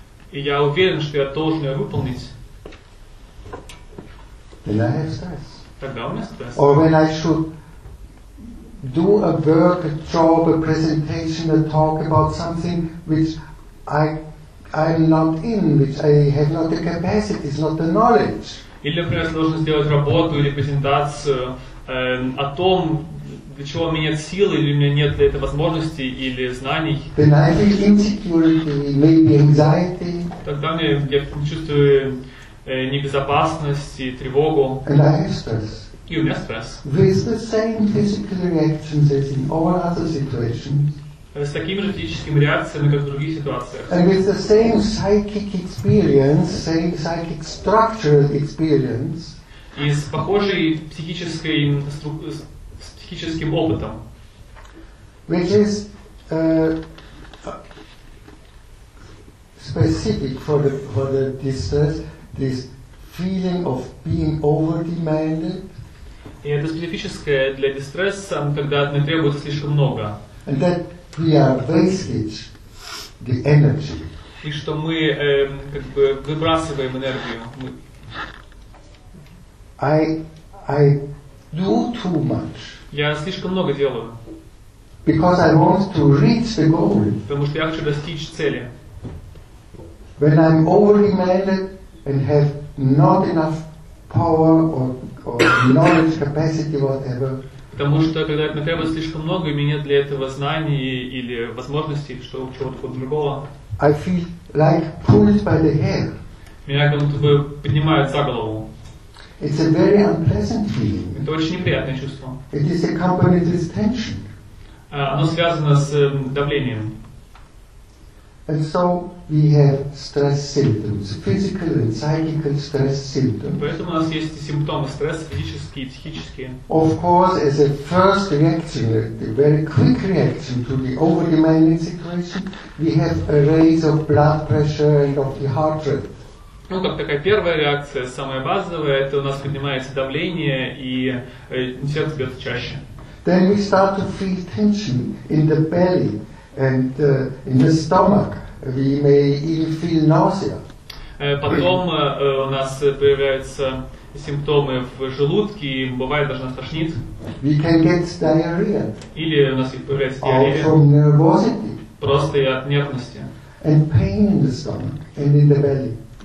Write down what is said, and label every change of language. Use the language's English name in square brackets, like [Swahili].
[Russian] И я уверен, что я должен ее выполнить. [English] Then I have stress. [Russian] Тогда у меня стресс. [English] Or when I should do a work, a job, a presentation, a talk about something which I'm not in, which I have not the capacity, not the knowledge. [Russian] Или, например, сложно сделать работу или презентацию о том, для чего у меня нет силы, или у меня нет для этого возможности или знаний. [English] Then I feel insecurity, maybe anxiety. [Russian] Тогда я чувствую небезопасность и тревогу. [English] And I have stress. [Russian] И у меня стресс. [English] With the same physical reactions as in all other situations. [Russian] С такими же физическими реакциями, как в других ситуациях. [English] And with the same psychic experience, same psychic structural experience. [Russian] И с похожей психической структурой. Психическим опытом. [English] Which is specific for the distress, this feeling of being overdemanded. [Russian] И это специфическое для дистресса, когда мне требуется слишком много. [English] And that we are wasting the energy. [Russian] И что мы как бы выбрасываем энергию. [English] I do too much. [Russian] Я слишком много делаю. [English] Because I want to reach the goal. [Russian] Потому что я хочу достичь цели. [English] When I'm overdemanded and have not enough power or knowledge, capacity, whatever. [Russian] Потому что когда мне требуется слишком много, и у меня нет для этого знаний или возможностей, что чего-то другого. [English] I feel like pulled by the hair. [Russian] Меня как будто бы поднимают за голову. [English] It's a very unpleasant feeling. [Russian] Это очень неприятное чувство. [English] It is accompanied with tension. [Russian] Оно связано с давлением. [English] And so we have stress symptoms, physical and psychical stress symptoms. [Russian] Поэтому у нас есть симптомы стресса, физические и психические. [English] Of course, as a first reaction, a very quick reaction to the overdemanding situation, we have a raise of blood pressure and of the heart rate. [Russian] Ну, как такая первая реакция, самая базовая, это у нас поднимается давление, и сердце бьется чаще. [English] Then we start to feel tension in the belly and in the stomach. We may even feel nausea. [Russian] Потом у нас появляются симптомы в желудке, и бывает даже нас тошнит. [English] We can get diarrhea. [Russian] Или у нас появляется диарея. [English] Or from nervosity. [Russian] Просто и от нервности. [English] And pain in the stomach and in the belly.